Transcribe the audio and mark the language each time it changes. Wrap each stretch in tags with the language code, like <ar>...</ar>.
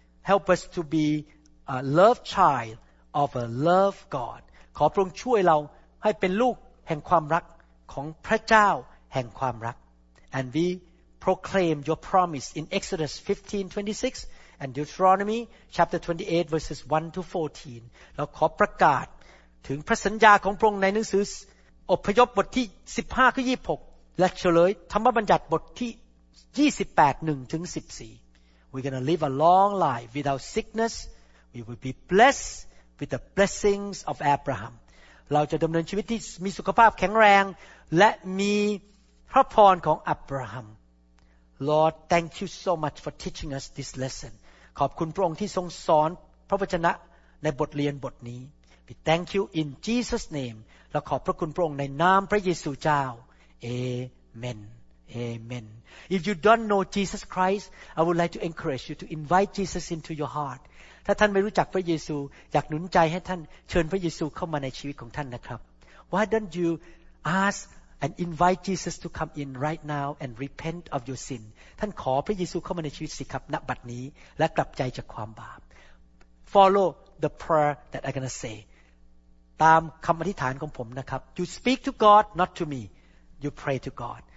<en>help us to be a love child of a love God</en> <th>ขอพระองค์ช่วยเราให้เป็นลูกแห่งความรักของพระเจ้าแห่งความรัก</th> <en>And we proclaim your promise in Exodus 15:26 and Deuteronomy chapter 28 verses 1 to 14</en> <th>เราขอประกาศถึงพระสัญญาของพระองค์ในหนังสือ อพยพบทที่15ถึง26และเฉลยธรรมบัญญัติบทที่28 1ถึง14</th> <en>We're going to live a long life without sickness. We will be blessed with the blessings of Abraham.</en> <th>เราจะดำเนินชีวิตที่มีสุขภาพแข็งแรงและมีพระพรของอับราฮัม</th> <en>Lord, thank you so much for teaching us this lesson.</en> <th>ขอบคุณพระองค์ที่ทรงสอนพระวจนะในบทเรียนบทนี้</th> <en>We thank you in Jesus' name.</en> <th>และขอบพระคุณพระองค์ในนามพระเยซูเจ้า Amen.</th> <en>Amen. If you don't know Jesus Christ, I would like to encourage you to invite Jesus into your heart.</en> <th>ถ้าท่านไม่รู้จักพระเยซูอยากหนุนใจให้ท่านเชิญพระเยซูเข้ามาในชีวิตของท่านนะครับ</th> <en>Why don't you ask and invite Jesus to come in right now and repent of your sin?</en> <th>ท่านขอพระเยซูเข้ามาในชีวิตสิครับณบัดนี้และกลับใจจากความบาป</th> <en>FollowThe prayer that I'm gonna say,</en> <th>ตามคำอธิษฐานของผมนะครับ</th> <en>You speak to God, not to me. You pray to God.</en>